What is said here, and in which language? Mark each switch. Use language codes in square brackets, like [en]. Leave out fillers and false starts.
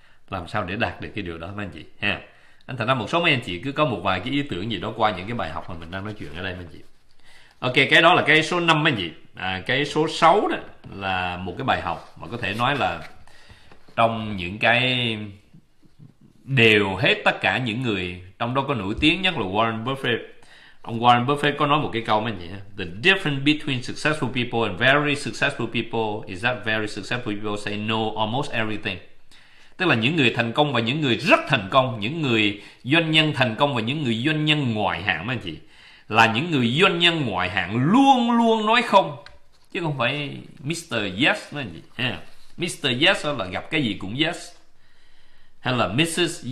[vi] Làm sao để đạt được cái điều đó mà anh chị ha. Anh thành ra một số mấy anh chị cứ có một vài cái ý tưởng gì đó qua những cái bài học mà mình đang nói chuyện ở đây mà anh chị. Ok, cái đó là cái số 5 mấy anh chị. Cái số 6 đó là một cái bài học mà có thể nói là trong những cái đều hết tất cả những người, trong đó có nổi tiếng nhất là Warren Buffett. Ông Warren Buffett có nói một cái câu mấy anh chị: [en] "The difference between successful people and very successful people is that very successful people say no almost everything." [vi] Tức là những người thành công và những người rất thành công, những người doanh nhân thành công và những người doanh nhân ngoại hạng mấy anh chị, là những người doanh nhân ngoại hạng luôn luôn nói không, chứ không phải Mr. Yes mấy anh chị ha. Mr. Yes là gặp cái gì cũng yes, hay là Mrs.